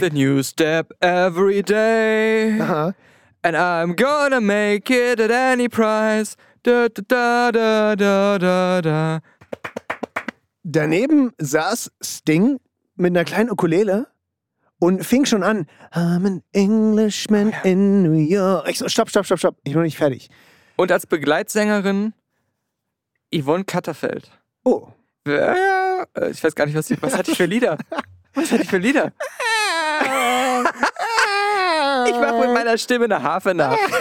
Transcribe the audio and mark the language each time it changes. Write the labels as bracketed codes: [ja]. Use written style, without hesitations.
[en] With a new step every day. Uh-huh. And I'm gonna make it at any price. Da, da, da, da, da, da, da. [de] Daneben saß Sting mit einer kleinen Ukulele und fing schon an. [en] I'm an Englishman in New York. [de] Ich so, stopp. Ich bin noch nicht fertig. Und als Begleitsängerin Yvonne Katterfeld. Oh. Ja, ich weiß gar nicht, was hatte ich für Lieder? Ich mache mit meiner Stimme eine Harfe nach.